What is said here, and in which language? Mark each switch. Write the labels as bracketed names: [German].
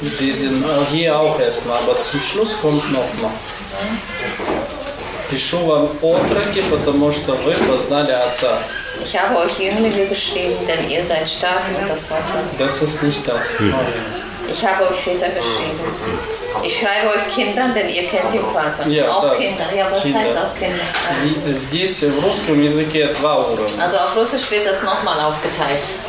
[German] Die sind hier auch erstmal, aber zum Schluss kommt nochmal. [Russian] Пишу вам, отроки, потому что вы познали отца. [German] Ich habe euch Jünglinge geschrieben, denn ihr seid stark und das Wort Gottes. Das ist nicht das. Ich habe euch Väter geschrieben. Ich schreibe euch Kindern, denn ihr kennt den Vater. Ja, auch das. Kinder. Ja, was Kinder. Heißt auch Kinder? [Russian] Здесь в русском языке два уровня. [German] Also auf Russisch wird das nochmal aufgeteilt.